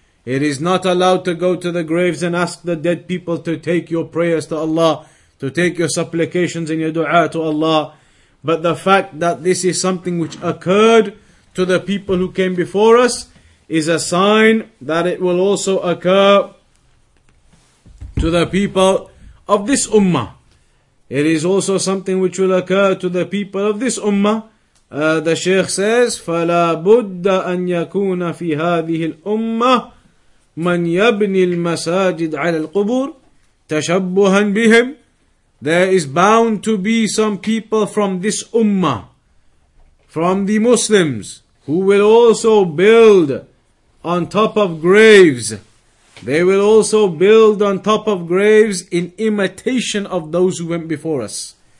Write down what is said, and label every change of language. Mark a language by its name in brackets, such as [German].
[English] It is not allowed to go to the graves and ask the dead people to take your prayers to Allah, to take your supplications and your dua to Allah. But the fact that this is something which occurred to the people who came before us is a sign that it will also occur to the people of this ummah. It is also something which will occur to the people of this ummah. The Shaykh says, [Arabic] فَلَا بُدَّ أَن يَكُونَ فِي هَذِهِ الْأُمَّةِ مَنْ يَبْنِي الْمَسَاجِدْ عَلَى الْقُبُورِ تَشَبُّهًا بِهِمْ. [English] There is bound to be some people from this ummah, from the Muslims, who will also build on top of graves. They will also build on top of graves in imitation of those who went before us.